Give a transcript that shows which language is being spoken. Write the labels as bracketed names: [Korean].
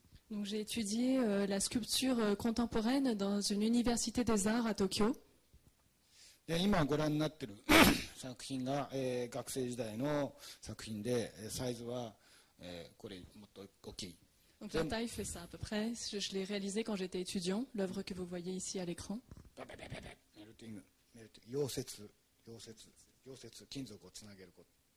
[French] Donc j'ai étudié la sculpture contemporaine dans une université des arts à Tokyo. [Japanese] で、今ご覧になってる作品が、学生時代の作品で、サイズは、これもっと大きい。 [French] Donc la taille fait ça à peu près. Je l'ai réalisé quand j'étais étudiant, l'œuvre que vous voyez ici à l'écran. [English] Melting, melting, [Japanese] 溶接、溶接、溶接、金属をつなげること。